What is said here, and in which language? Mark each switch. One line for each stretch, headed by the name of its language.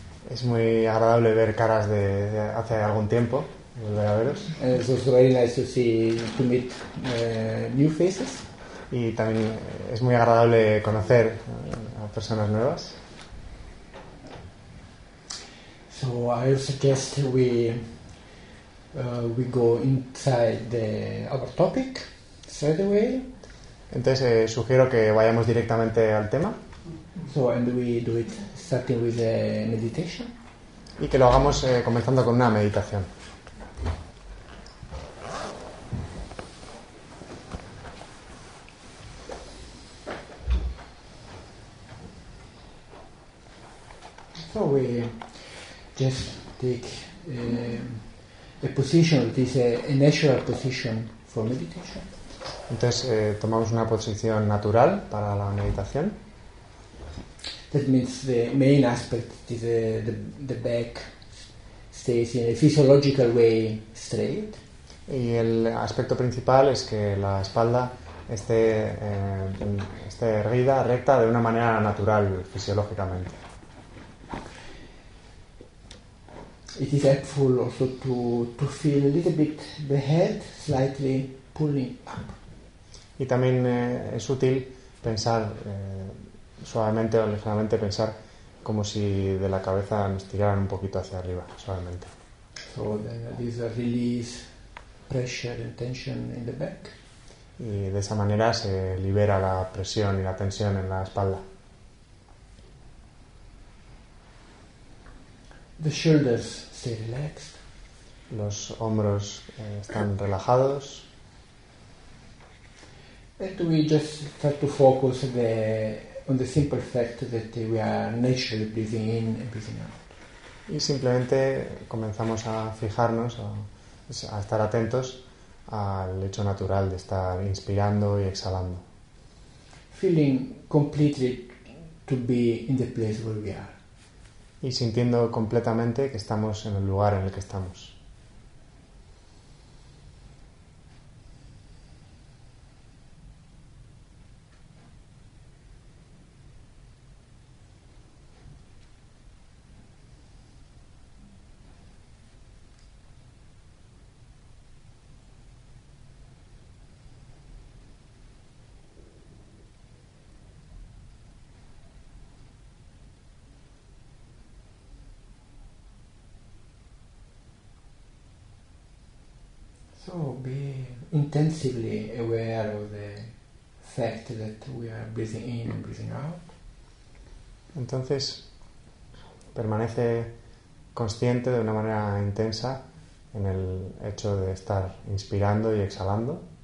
Spanish: Es muy agradable ver caras de hace algún tiempo, volver a veros.
English: And it's also very nice to see to meet new faces.
Spanish: Y también es muy agradable conocer a personas nuevas.
English: So I suggest we go inside our topic straight away.
Spanish: Entonces sugiero que vayamos directamente al tema.
English: So and we do it starting with a meditation.
Spanish: Y que lo hagamos comenzando con una meditación.
English: So we just take a position that is a natural position for meditation.
Spanish: Entonces tomamos una posición natural para la meditación.
English: That means the main aspect is the back stays in a physiological way straight.
Spanish: Y el aspecto principal es que la espalda esté erguida, recta de una manera natural fisiológicamente.
English: It is helpful also to feel a little bit the head slightly pulling up.
Spanish: Y también es útil pensar suavemente o ligeramente pensar como si de la cabeza nos tiraran un poquito hacia arriba, suavemente.
English: So then this release pressure and tension in the back.
Spanish: Y de esa manera se libera la presión y la tensión en la espalda.
English: The shoulders stay relaxed.
Spanish: Los hombros están relajados.
English: And we just try to focus on the simple fact that we are naturally breathing in and breathing out.
Spanish: Y simplemente comenzamos a fijarnos, a estar atentos al hecho natural de estar inspirando y exhalando.
English: Feeling completely to be in the place where we are.
Spanish: Y sintiendo completamente que estamos en el lugar en el que estamos.
English: So be intensively aware of the fact that we are breathing in and breathing out.
Spanish: Entonces, permanece consciente de una manera intensa en el hecho de estar inspirando y exhalando.